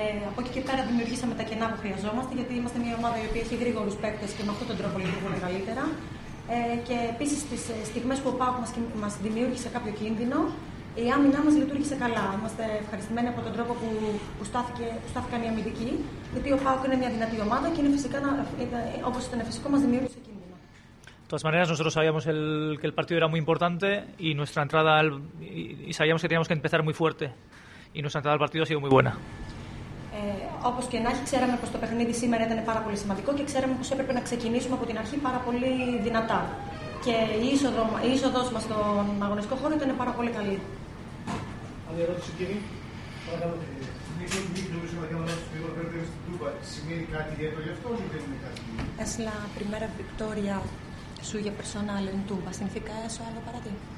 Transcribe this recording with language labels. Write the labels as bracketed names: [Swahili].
[Greek] Από εκεί και πέρα δημιουργήσαμε τα κενά που χρειαζόμαστε, γιατί είμαστε μια ομάδα η οποία έχει γρήγορους παίκτες και με αυτόν τον τρόπο λειτουργούμε καλύτερα. Και επίσης στις στιγμές που ο ΠΑΟΚ μας δημιούργησε κάποιο κίνδυνο, η άμυνά μας λειτουργήσε καλά. Είμαστε ευχαριστημένοι από τον τρόπο που στάθηκαν οι αμυντικοί, γιατί ο ΠΑΟΚ είναι μια δυνατή ομάδα και είναι φυσικά, όπως ήταν φυσικό, μας δημιούργησε κίνδυνο. [Spanish] De todas maneras, nosotros sabíamos que el partido era muy importante y nuestra entrada y sabíamos que teníamos que empezar muy fuerte y nuestra entrada al partido ha sido muy buena. [Greek] Όπως και να έχει, ξέραμε πως το παιχνίδι σήμερα ήταν πάρα πολύ σημαντικό και ξέραμε πως έπρεπε να ξεκινήσουμε από την αρχή πάρα πολύ δυνατά. Και η είσοδος μας στον αγωνιστικό χώρο ήταν πάρα πολύ καλή. Άλλη ερώτηση, κύριε. Παρακαλώ, κύριε. Μην κλείσουμε για να μην πέρατε στην Τούμπα. Σημαίνει κάτι ιδιαίτερο γι' αυτό ή δεν είναι κάτι? [Spanish] Es la primera victoria suya personal en Tumba, ¿significa eso algo para ti?